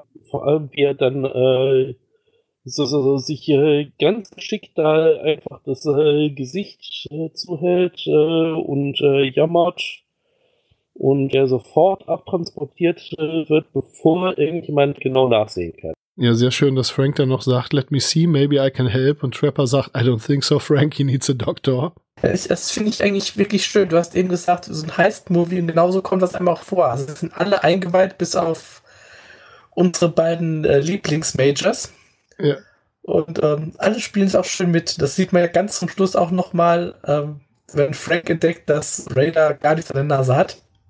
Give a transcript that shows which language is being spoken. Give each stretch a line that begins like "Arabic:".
German: Vor allem, wie er dann so sich ganz schick da einfach das Gesicht zuhält und jammert und er sofort abtransportiert wird, bevor irgendjemand genau nachsehen kann. Ja, sehr schön, dass Frank dann noch sagt,
English: let me see, maybe I can help.
German: Und Trapper sagt,
English: I don't think so, Frank, he needs a doctor.
German: Das finde ich eigentlich wirklich schön. Du hast eben gesagt, so ein Heist-Movie und genauso kommt das einem auch vor. Also es sind alle eingeweiht, bis auf unsere beiden Lieblings-Majors. Ja. Und alle spielen es auch schön mit. Das sieht man ja ganz zum Schluss auch nochmal, wenn Frank entdeckt, dass Raider gar nichts an der Nase hat.